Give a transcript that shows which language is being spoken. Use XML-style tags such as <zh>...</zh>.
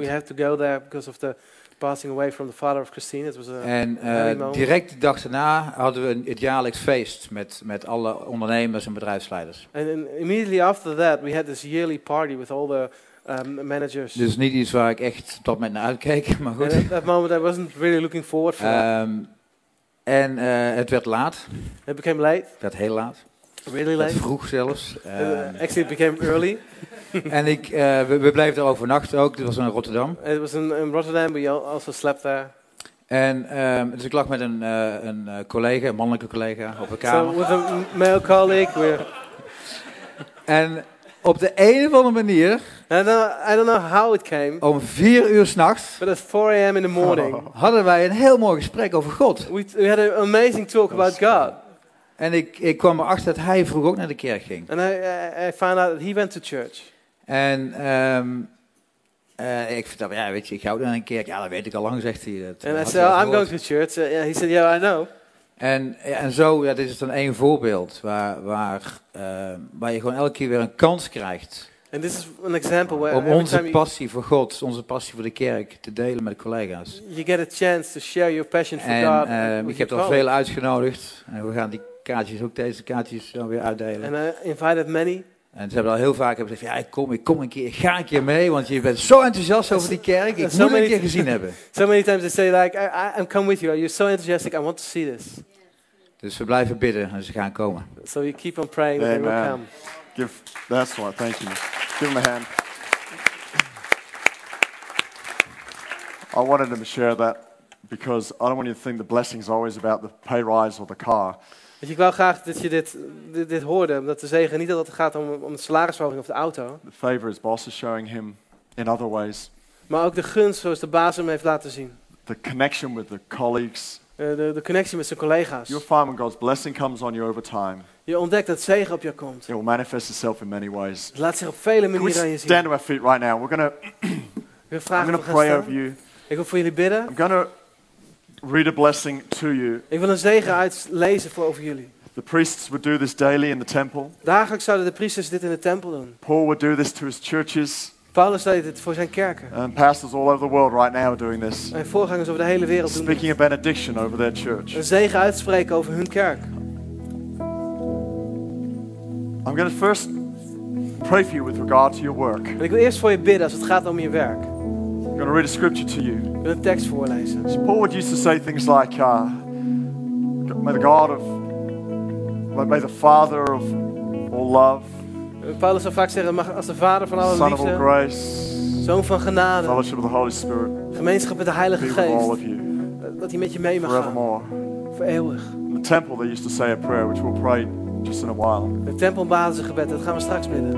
<en>We have to go there because of the passing away from the father of Christine. It was a</en> <nl>direct de dag daarna hadden we het jaarlijks feest met alle ondernemers en bedrijfsleiders.</nl> <en>And immediately after that we had this yearly party with all the managers.</en> <nl>Dus niet iets waar ik echt tot met naar uitkeek, maar goed.</nl> <en>At that moment I wasn't really looking forward for.</en> <nl>En het werd laat.</nl> <en>It became late.</en> <nl>Het werd heel laat.</nl> <en>Really late?</en> <nl>Vroeg zelfs.</nl> <en>Actually, it became early.</en> <nl>En ik, we blijven daar overnachten ook. Dit was in Rotterdam.</nl> <en>It was in Rotterdam, but you also slept there.</en> <nl>En dus ik lag met een collega, een mannelijke collega, op een kamer.</nl> <en>So with a male colleague. We're...</en> <nl>En op de een of andere manier.</nl> <en>I don't know how it came.</en> <nl>Om 4:00 s'nachts.</nl> <en>But at 4 a.m. in the morning.</en> <nl>Hadden wij een heel mooi gesprek over God.</nl> <en>We had an amazing talk about God.</en> <nl>En ik kwam erachter dat hij vroeg ook naar de kerk ging.</nl> <en>And I found out that he went to church.</en> <nl>En ik vertelde, ja, weet je, ik ga ook naar een kerk. Ja, dat weet ik al lang, zegt hij. Dat.</nl> <en>And I said, oh, I'm going to church. Yeah, he said, yeah, I know.</en> <nl>En zo, ja, dit is dan één voorbeeld waar je gewoon elke keer weer een kans krijgt.</nl> <en>And this is an example where</en> <nl>om onze passie voor God, onze passie voor de kerk, te delen met collega's.</nl> <en>You get a chance to share your passion for</en> <nl>en,</nl> <en>God.</en> <nl>Ik heb al veel uitgenodigd. En we gaan die kaartjes, ook deze kaartjes, dan weer uitdelen.</nl> <en>And I invited many.</en> <nl>En ze hebben al heel vaak gezegd, ja, ik kom een keer, ga een keer mee, want je bent zo enthousiast over die kerk, ik moet een keer gezien hebben.</nl> <en>So many times they say, like, I'm come with you, you're so enthusiastic, I want to see this.</en> <nl>Dus we blijven bidden en ze gaan komen.</nl> <en>So you keep on praying, they will come. Give, that's what, thank you. Give them a hand. I wanted them to share that, because I don't want you to think the blessing is always about the pay rise or the car.</en> <nl>Ik wou graag dat je dit hoorde, omdat de zegen niet altijd gaat om de salarisverhoging of de auto.</nl> <en>The favor his boss is showing him in other ways.</en> <nl>Maar ook de gunst zoals de baas hem heeft laten zien.</nl> <en>The connection with the colleagues.</en> <nl>De connectie met zijn collega's.</nl> <en>You'll find when God's blessing comes on you over time.</en> <nl>Je ontdekt dat zegen op je komt.</nl> <en>It will manifest itself in many ways.</en> <nl>Het laat zich op vele manieren aan je zien.</nl> <en>Stand to our feet right now. We're gonna. I'm gonna pray over you.</en> <nl>Ik wil voor jullie bidden.</nl> <en>I'm gonna read a blessing to you.</en> <nl>Ik wil een zegen uitlezen voor over jullie.</nl> <en>The priests would do this daily in the temple.</en> <nl>Dagelijks zouden de priesters dit in de tempel doen.</nl> <en>Paul would do this to his churches.</en> <nl>Paulus deed dit voor zijn kerken.</nl> <en>And pastors all over the world right now are doing this.</en> <nl>En voorgangers over de hele wereld doen.</nl> <en>Speaking a benediction over their church.</en> <nl>Een zegen uitspreken over hun kerk.</nl> <en>I'm going to first pray for you with regard to your work.</en> <nl>En ik wil eerst voor je bidden als het gaat om je werk.</nl> <en>I'm going to read a scripture to you.</en> <nl>Een tekst voorlezen.</nl> <en>So Paul would used to say things like, "May the God of, may the Father of all love."</en> <nl>Paulus zou vaak zeggen, als de Vader van alle liefde.</nl> <en>Son of all grace.</en> <nl>Zoon van genade.</nl> <en>Fellowship of the Holy Spirit.</en> <nl>Gemeenschap met de Heilige Geest.</nl> <en>With all of you.</en> <nl>Dat hij met je mee mag.</nl> <en>Forevermore.</en> <nl>Voor eeuwig.</nl> <en>In the temple, they used to say a prayer, which we'll pray just in a while.</en> <nl>Het tempelbasisgebed, dat gaan we straks bidden.</nl>